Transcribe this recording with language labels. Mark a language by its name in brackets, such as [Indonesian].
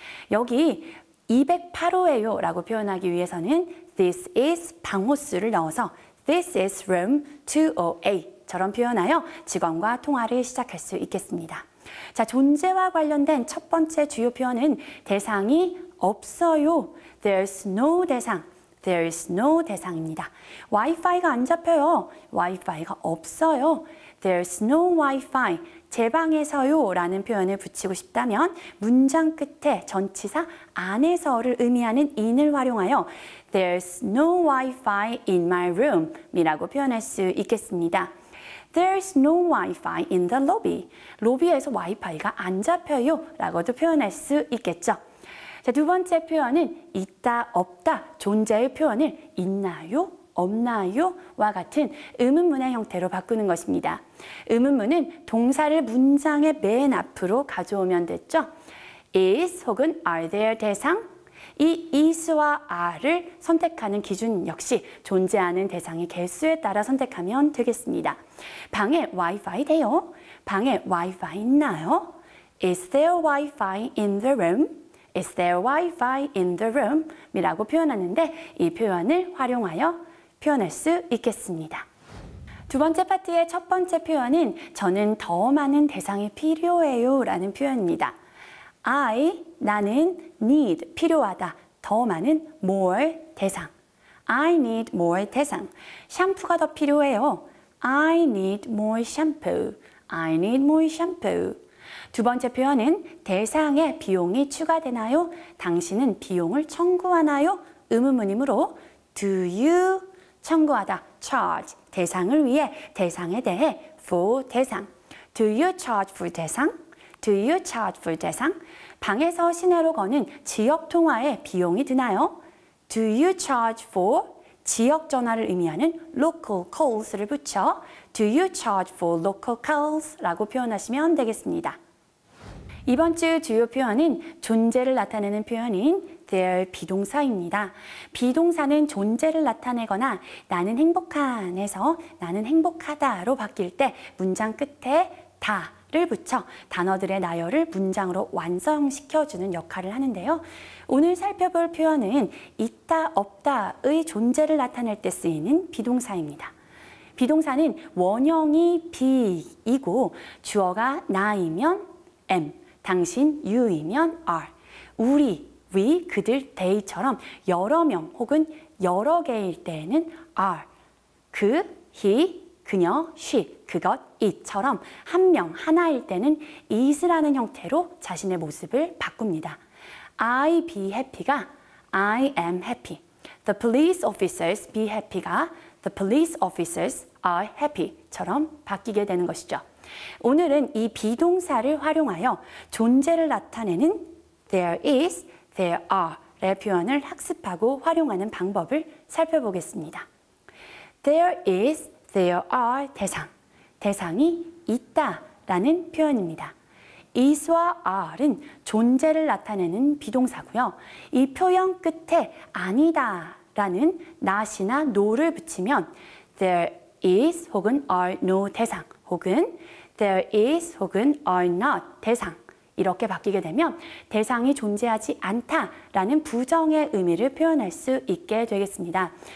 [Korean] 여기 208호예요 라고 표현하기 위해서는 this is 방호수를 넣어서 [English] this is room 208 [Korean] 처럼 표현하여 직원과 통화를 시작할 수 있겠습니다. 자, 존재와 관련된 첫 번째 주요 표현은 대상이 없어요. [English] There's no 대상. There's no 대상입니다. [Korean] Wi-Fi가 안 잡혀요. Wi-Fi가 없어요. [English] There's no Wi-Fi. [Korean] 제 방에서요 라는 표현을 붙이고 싶다면 문장 끝에 전치사 안에서를 의미하는 in을 활용하여 [English] There's no Wi-Fi in my room [Korean] 이라고 표현할 수 있겠습니다. [English] There's no Wi-Fi in the lobby. [Korean] 로비에서 와이파이가 안 잡혀요 라고도 표현할 수 있겠죠. 자, 두 번째 표현은 있다, 없다, 존재의 표현을 있나요, 없나요와 같은 의문문의 형태로 바꾸는 것입니다. 의문문은 동사를 문장의 맨 앞으로 가져오면 됐죠. [English] Is 혹은 are there 대상? [Korean] 이 is와 are를 선택하는 기준 역시 존재하는 대상의 개수에 따라 선택하면 되겠습니다. 방에 와이파이 돼요? 방에 와이파이 있나요? [English] Is there Wi-Fi in the room? Is there Wi-Fi in the room? [Korean] 이라고 표현하는데 이 표현을 활용하여 표현할 수 있겠습니다. 두 번째 파트의 첫 번째 표현은 저는 더 많은 대상이 필요해요 라는 표현입니다. I, 나는 need, 필요하다, 더 많은 more 대상. [English] I need more 대상. [Korean] 샴푸가 더 필요해요. [English] I need more shampoo. I need more shampoo. [Korean] 두 번째 표현은 대상에 비용이 추가되나요? 당신은 비용을 청구하나요? 의문문이므로 do you 청구하다, charge, 대상을 위해, 대상에 대해, for 대상. [English] Do you charge for 대상? Do you charge for 대상? [Korean] 방에서 시내로 거는 지역 통화에 비용이 드나요? [English] Do you charge for [Korean] 지역 전화를 의미하는 [English] local calls를 붙여 Do you charge for local calls? [Korean] 라고 표현하시면 되겠습니다. 이번 주 주요 표현은 존재를 나타내는 표현인 there 비동사입니다. 비동사는 존재를 나타내거나 나는 행복한에서 나는 행복하다로 바뀔 때 문장 끝에 다를 붙여 단어들의 나열을 문장으로 완성시켜주는 역할을 하는데요. 오늘 살펴볼 표현은 있다, 없다의 존재를 나타낼 때 쓰이는 비동사입니다. 비동사는 원형이 be이고 주어가 나이면 am, 당신, you이면 are, 우리, we, 그들, they처럼 여러 명 혹은 여러 개일 때에는 are, 그, he, 그녀, she, 그것, it처럼 한 명, 하나일 때는 is라는 형태로 자신의 모습을 바꿉니다. [English] I be happy가 I am happy. The police officers be happy가 The police officers are happy처럼 바뀌게 되는 것이죠. [Korean] 오늘은 이 비동사를 활용하여 존재를 나타내는 there is, there are의 표현을 학습하고 활용하는 방법을 살펴보겠습니다. [English] There is, there are 대상. [Korean] 대상이 있다 라는 표현입니다. is와 are은 존재를 나타내는 비동사고요. 이 표현 끝에 아니다 라는 not이나 no를 붙이면 there is 혹은 are no 대상 혹은 there is 혹은 are not 대상 이렇게 바뀌게 되면 대상이 존재하지 않다라는 부정의 의미를 표현할 수 있게 되겠습니다.